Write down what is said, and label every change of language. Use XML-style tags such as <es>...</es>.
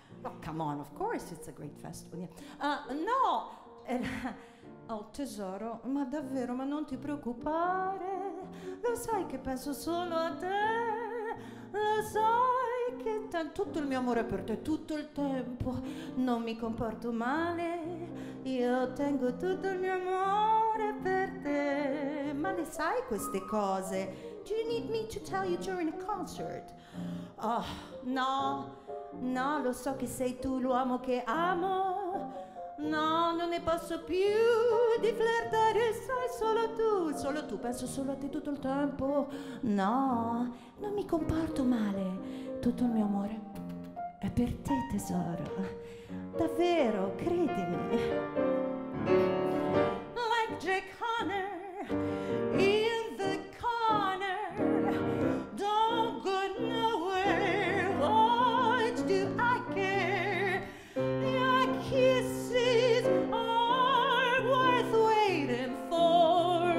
<en>Well, come on, of course, it's a great festival, yeah. No!</en> <it>Oh tesoro, ma davvero, ma non ti preoccupare. Lo sai che penso solo a te. Lo sai che tutto il mio amore per te, tutto il tempo. Non mi comporto male. Io tengo tutto il mio amore per te. Ma le sai queste cose?</it> <en>Do you need me to tell you during a concert?</en> <it>Oh, no, no, lo so che sei tu l'uomo che amo. No, non ne posso più di flirtare, sai, solo tu, penso solo a te tutto il tempo. No, non mi comporto male, tutto il mio amore è per te, tesoro. Davvero, credimi.</it> <en>Like Jack Horner in the corner, don't go nowhere, what do I care? Your kisses are worth waiting for.</en>